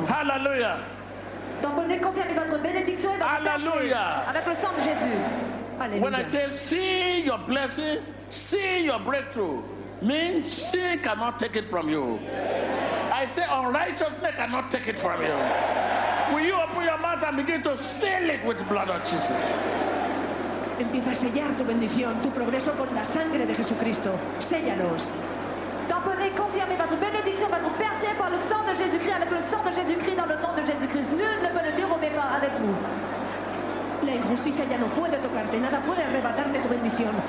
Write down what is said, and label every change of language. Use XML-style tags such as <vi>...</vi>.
<en>Hallelujah. Hallelujah. When I say see your blessing, see your breakthrough, means she cannot take it from you. I say unrighteousness cannot take it from you. Will you open your mouth and begin to seal it with the blood of Jesus?</en> <es>Empieza a sellar tu bendición, tu progreso con la sangre de Jesucristo. Séllalos.</es> <fr>Tamponnez, confirmez votre bénédiction, votre percée par le sang de Jésus-Christ, avec le sang de Jésus-Christ, dans le nom de Jésus-Christ. Nul ne peut le dérober pas avec vous.</fr> <es>La injusticia ya no puede tocarte, nada puede arrebatarte tu bendición.</es>